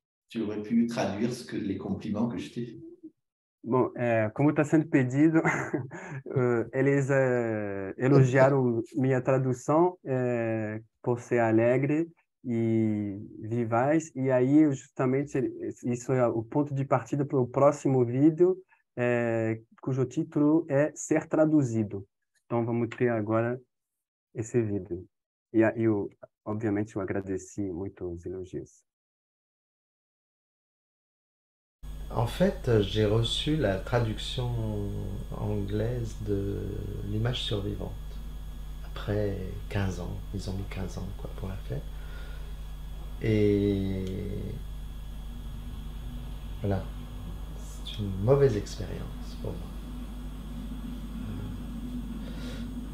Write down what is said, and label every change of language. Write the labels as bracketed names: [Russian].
[French] Tu aurais pu traduire les compliments que je t'ai fait. [Portuguese] Bom, como está sendo pedido, eles elogiaram minha tradução por ser alegre e vivaz, e aí justamente isso é o ponto de partida para o próximo vídeo, cujo título é Ser Traduzido. Então vamos ter agora esse vídeo. E aí, obviamente, eu agradeci muito os elogios. [French] En fait, j'ai reçu la traduction anglaise de l'image survivante après 15 ans. Ils ont mis 15 ans quoi, pour la faire. Et voilà, c'est une mauvaise expérience pour moi.